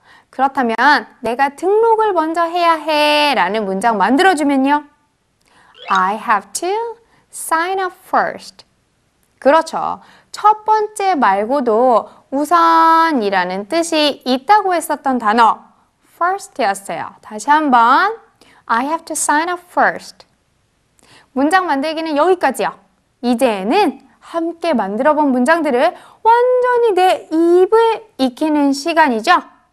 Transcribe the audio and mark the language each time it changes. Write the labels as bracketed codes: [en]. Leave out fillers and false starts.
[ko] 그렇다면 내가 등록을 먼저 해야 해 라는 문장 만들어주면요. [en] I have to sign up first. [ko] 그렇죠. 첫 번째 말고도 우선이라는 뜻이 있다고 했었던 단어 first였어요. 다시 한번 [en] I have to sign up first. [ko] 문장 만들기는 여기까지요. 이제는 함께 만들어본 문장들을 완전히 내 입을 익히는 시간이죠.